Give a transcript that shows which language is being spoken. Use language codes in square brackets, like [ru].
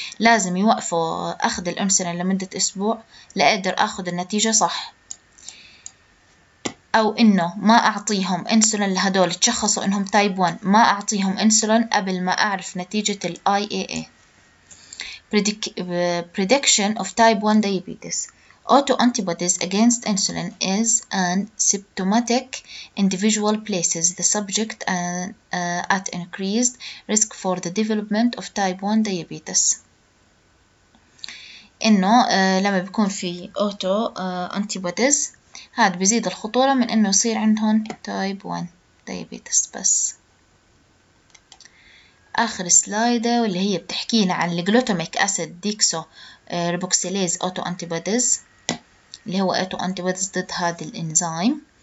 [ar] لازم يوقفوا اخذ الانسولين لمده اسبوع لاقدر اخذ النتيجه صح، او انه ما اعطيهم انسولين لهدول تشخصوا انهم تايب 1، ما اعطيهم انسولين قبل ما اعرف نتيجه الاي اي اي. [en] Prediction of type 1 diabetes. Autoantibodies against insulin is an symptomatic individual places the subject at increased risk for the development of type 1 diabetes. [ar] إنه لما بيكون في autoantibodies هاد بيزيد الخطورة من إنه يصير عندهم type 1 diabetes. بس آخر سلايدة واللي هي بتحكينا عن الجلوتاميك أسيد ديكسو ريبوكسيليز autoantibodies اللي هو أتو أنتيبوديز ضد هذا الإنزيم.